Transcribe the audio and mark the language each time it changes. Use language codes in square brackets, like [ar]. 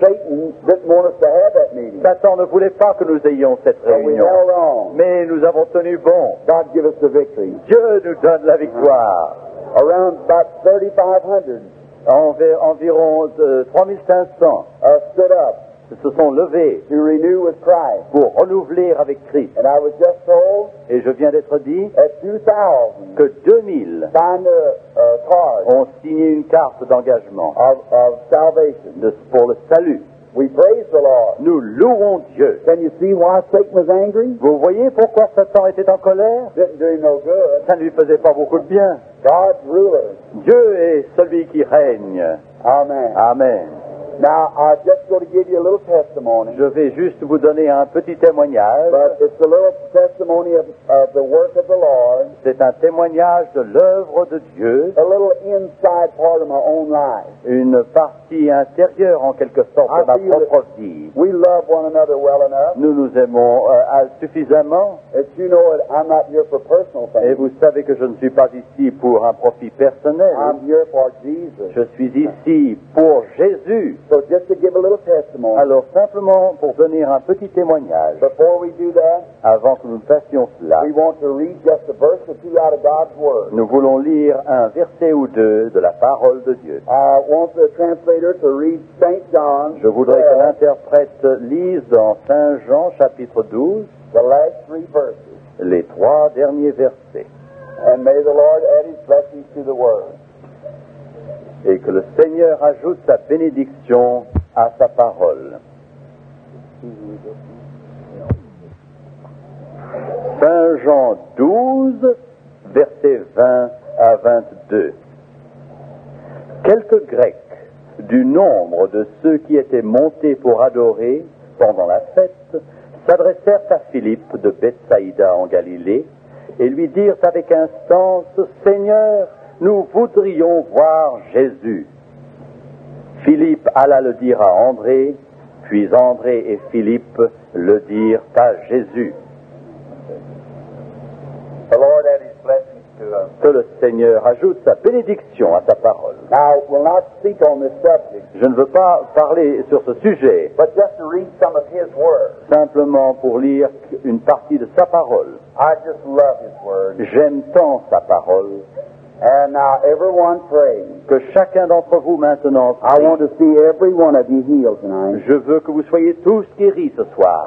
[en] Satan didn't want us to have that meeting. [fr] Satan ne voulait pas que nous ayons cette réunion. [en] And we held on. [fr] Mais nous avons tenu bon. [en] God give us the victory. [fr] Dieu nous donne la victoire. [en] Around about 3,500. [fr] Environ 3,500 [en] stood up. [fr] Se sont levés. [en] To renew with Christ. [fr] Pour renouveler avec Christ. [en] And I was just told. [fr] Et je viens d'être dit. [en] At 2,000. [fr] Que 2,000. [en] Signed a card. [fr] Ont signé une carte d'engagement. [en] Of salvation. [fr] Pour le salut. [en] We praise the Lord. [fr] Nous louons Dieu. [en] Can you see why Satan was angry? [fr] Vous voyez pourquoi Satan était en colère? [en] Didn't do him no good. [fr] Ça ne lui faisait pas beaucoup de bien. [en] God's ruler. [fr] Dieu est celui qui règne. [en] Amen. [fr] Amen. [en] Now I'm just going to give you a little testimony. [fr] Je vais juste vous donner un petit témoignage. [en] But it's a little testimony of the work of the Lord. [fr] C'est un témoignage de l'œuvre de Dieu. [en] A little inside part of my own life. [fr] Une partie intérieure en quelque sorte de ma propre vie. [en] We love one another well enough. [fr] Nous nous aimons suffisamment. [en] And you know it, I'm not here for personal things. [fr] Et vous savez que je ne suis pas ici pour un profit personnel. [en] I'm here for Jesus. [fr] Je suis ici pour Jésus. [en] So just to give a little testimony. [fr] Alors simplement pour donner un petit témoignage. [en] Before we do that, [fr] avant que nous fassions cela, [en] we want to read just a verse or two out of God's word. [fr] Nous voulons lire un verset ou deux de la parole de Dieu. [en] I want the translator to read Saint John. [fr] Je voudrais que l'interprète lise dans Saint Jean chapitre 12, [en] the last three verses. [fr] Les trois derniers versets. [en] And may the Lord add his blessings to the word. [fr] Et que le Seigneur ajoute sa bénédiction à sa parole. Saint Jean 12, versets 20 à 22. Quelques Grecs, du nombre de ceux qui étaient montés pour adorer pendant la fête, s'adressèrent à Philippe de Bethsaïda en Galilée et lui dirent avec instance, « Seigneur, nous voudrions voir Jésus. » Philippe alla le dire à André, puis André et Philippe le dirent à Jésus. [en] The Lord add his blessings to us. [fr] Que le Seigneur ajoute sa bénédiction à sa parole. [en] Now, I will not speak on this subject. [fr] Je ne veux pas parler sur ce sujet, [en] but just to read some of his words. [fr] Simplement pour lire une partie de sa parole. [en] I just love his word. [fr] J'aime tant sa parole. [en] And now everyone pray. [fr] Que chacun d'entre vous maintenant prie. [en] I want to see every one of you healed tonight. [fr] Je veux que vous soyez tous guéris ce soir.